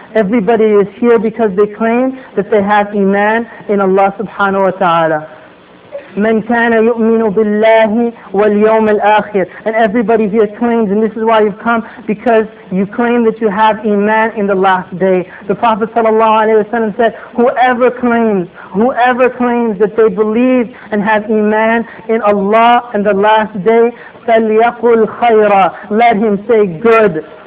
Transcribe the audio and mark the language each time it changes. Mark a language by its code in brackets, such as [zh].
[en] Everybody is here because they claim that they have iman in Allah subhanahu wa ta'ala. [ar] من كان يؤمن بالله واليوم الآخر. [en] And everybody here claims, and this is why you've come, because you claim that you have iman in the last day. The Prophet ﷺ said, whoever claims that they believe and have iman in Allah and the last day, [ar] فَلْيَقُلْ خَيْرًا, [en] let him say good.